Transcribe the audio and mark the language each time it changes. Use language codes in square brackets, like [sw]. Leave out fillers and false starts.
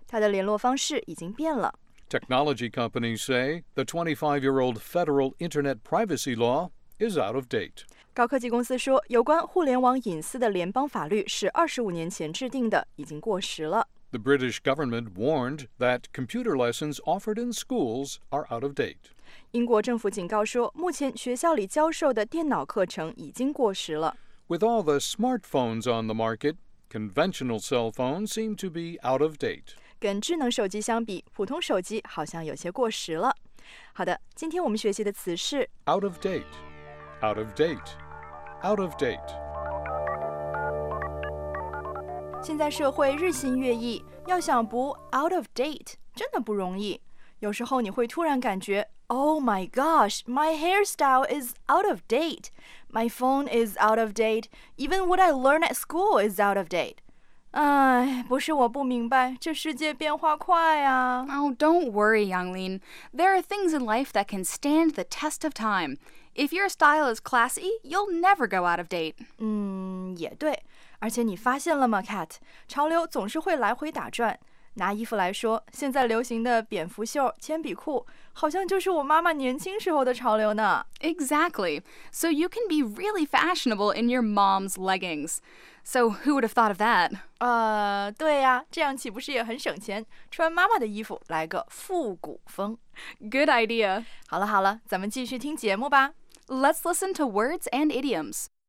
[zh] 他的联络方式已经变了。 [en] Technology companies say the 25-year-old federal internet privacy law is out of date. [zh] 高科技公司说，有关互联网隐私的联邦法律是25年前制定的，已经过时了。 [en] The British government warned that computer lessons offered in schools are out of date. [zh] 英国政府警告说，目前学校里教授的电脑课程已经过时了。 [en] With all the smartphones on the market, conventional cell phones seem to be out of date. [zh] 跟智能手机相比，普通手机好像有些过时了。好的，今天我们学习的词是 [en] out of date, out of date, out of date。 [zh] 现在社会日新月异，要想不 out of date 真的不容易。有时候你会突然感觉 [en] ，Oh my gosh, my hairstyle is out of date, my phone is out of date, even what I learn at school is out of date. [zh] 哎，不是我不明白，这世界变化快啊。 [en] Oh, don't worry, Yanglin. There are things in life that can stand the test of time. If your style is classy, you'll never go out of date. [zh] 也对。而且你发现了吗 ，Kat？ 潮流总是会来回打转。拿衣服来说，现在流行的蝙蝠袖、铅笔裤，好像就是我妈妈年轻时候的潮流呢。 [en] Exactly. So you can be really fashionable in your mom's leggings. So who would have thought of that? [zh] 对呀、啊，这样岂不是也很省钱？穿妈妈的衣服，来个复古风。 [en] Good idea. [zh] 好了好了，咱们继续听节目吧。 [en] Let's listen to words and idioms.